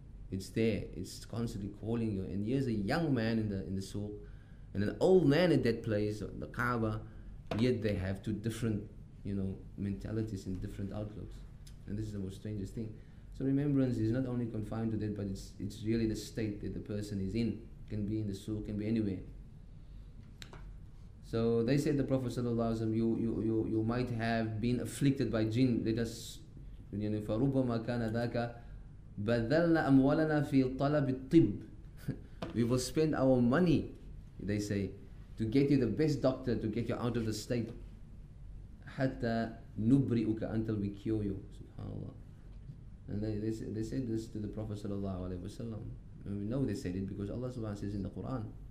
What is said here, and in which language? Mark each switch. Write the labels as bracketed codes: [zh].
[en] It's there, it's constantly calling you. And here's a young man in the souq, and an old man at that place, the Kaaba, yet they have two different, you know, mentalities and different outlooks. And this is the most strangest thing. So remembrance is not only confined to that, but it's really the state that the person is in. Can be in the soul, can be anywhere. So they said the Prophet sallallahu alaihi wasallam, you might have been afflicted by jinn. Let us, you know, [ar] فَرُبَّمَا كَانَ ذَاكَ بَذَلْنَا أَمْوَالَنَا فِي طَلَبِ الطِّبِّ. [en] We will spend our money, they say, to get you the best doctor, to get you out of the state. [ar] حَتَّى نُبْرِئُكَ, [en] until we cure you. SubhanAllah. And they said this to the Prophet sallallahu alaihi wasallam. And we know they said it because Allah subhanahu wa ta'ala says in the Quran.